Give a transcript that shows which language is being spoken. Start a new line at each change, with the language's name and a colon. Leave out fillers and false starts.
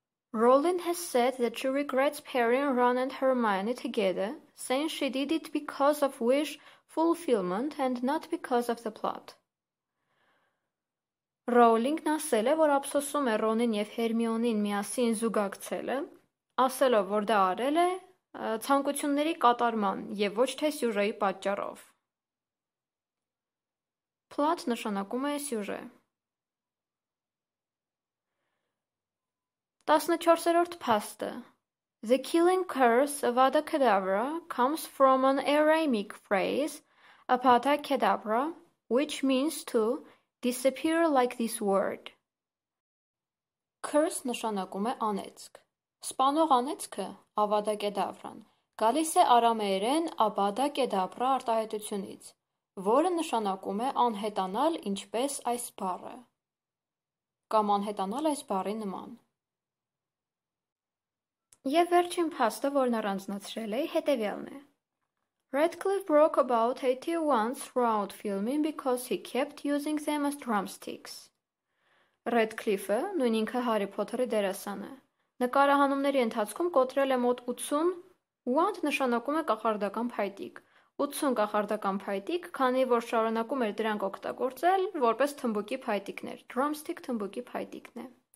English: Rowling has said that she regrets pairing Ron and Hermione together, saying she did it because of wish fulfillment and not because of the plot.
Armenian: Rowling-ն ասել է, որ ափսոսում է Ron-ին եւ Hermione-ին միասին զուգակցելը, ասելով, որ դա արել է ցանկությունների կատարման եւ ոչ թե սյուժեի պատճառով։ Plot նշանակում է սյուժե։ 14-րդ փաստը.
English: The killing curse of Avada Kedavra comes from an Aramaic phrase, Avada Kedavra, which means to disappear like this word.
Armenian: Curse նշանակում է անեծք։ Սպանող անեծքը, Avada Kedavra-ն, գալիս է արամեերեն Avada Kedavra արտահայտությունից, որը նշանակում է անհետանալ, ինչպես այս բառը։ Կամ անհետանալ այս բառի նման։ Եվ վերջին փաստը, որն առանձնացրել է, հետևյալն է.
English: Radcliffe broke about 80 wands throughout filming because he kept using them as drumsticks.
Armenian: Radcliffe-ը, նույն ինքը Harry Potter-ի դերասանը, նկարահանումների ընթացքում կոտրել է մոտ 80 wand, նշանակում է կախարդական փայտիկ։ 80 կախարդական փայտիկ, քանի որ շարունակում էր դրանք օգտագործել որպես թմբուկի փայտիկներ։ Drumstick թմբուկի փայտիկն է։